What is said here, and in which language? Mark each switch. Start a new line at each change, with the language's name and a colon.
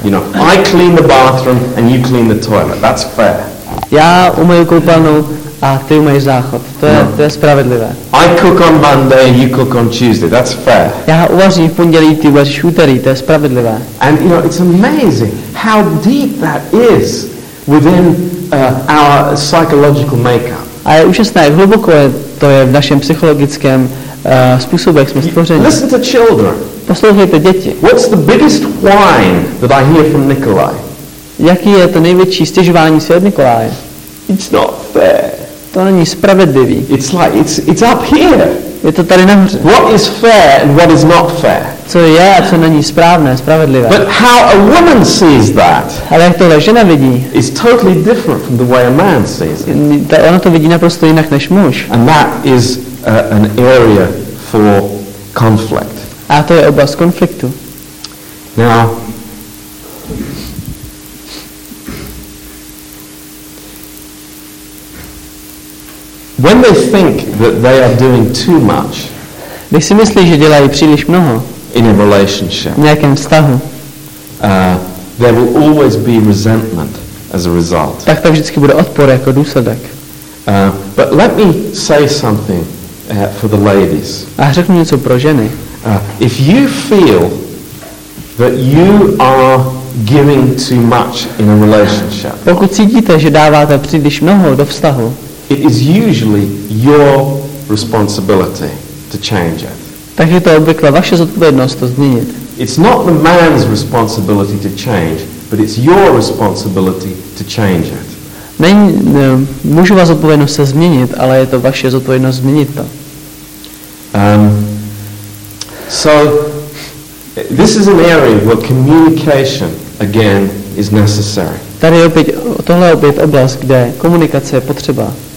English: You know, I clean the bathroom and you clean the toilet. That's fair.
Czech: Já umyju koupelnu a ty umyješ záchod. To je spravedlivé.
English: I cook on Monday and you cook on Tuesday. That's fair.
Czech: Já uvařím v pondělí, ty uvaříš úterý. To je spravedlivé.
English: And you know, it's amazing how deep that is within our psychological makeup.
Czech: A je úžasné, jak hluboko to je v našem psychologickém způsobu, jak jsme stvořeni.
English: Listen to children.
Czech: Poslouchejte děti.
English: What's the biggest whine that I hear from Nikolai?
Czech: Jaký je to největší stěžování si od Nikolaje?
English: It's not fair.
Czech: To není spravedlivý.
English: It's like it's up here.
Czech: Je to tady nahoře.
English: What is fair and what is not fair?
Czech: Co je a co není správné, spravedlivé.
English: But how a woman sees that?
Czech: Ale jak tohle žena vidí?
English: Is totally different from the way a man sees it.
Czech: Ona to vidí naprosto jinak než muž.
English: And that is an area for conflict.
Czech: A to je oblast konfliktu.
English: Now, when they think that they are doing too much,
Czech: když si myslí, že dělají příliš mnoho,
English: in a relationship,
Czech: v nějakém vztahu,
English: there will always be resentment as a result.
Czech: Tak to vždycky bude odpor jako důsledek.
English: But let me say something for the ladies.
Czech: A řeknu něco pro ženy.
English: If you feel that you are giving too much in a relationship,
Czech: pokud cítíte, že dáváte příliš mnoho do vztahu,
English: it is usually your responsibility to change it.
Czech: Takže to je obvykle vaše zodpovědnost to změnit.
English: It's not the man's responsibility to change, but it's your responsibility to change it.
Czech: Není mužova zodpovědnost se změnit, ale je to vaše zodpovědnost změnit to.
English: So this is an area where communication again is necessary.
Czech: Tady opět tohle opět oblast, kde komunikace je potřeba.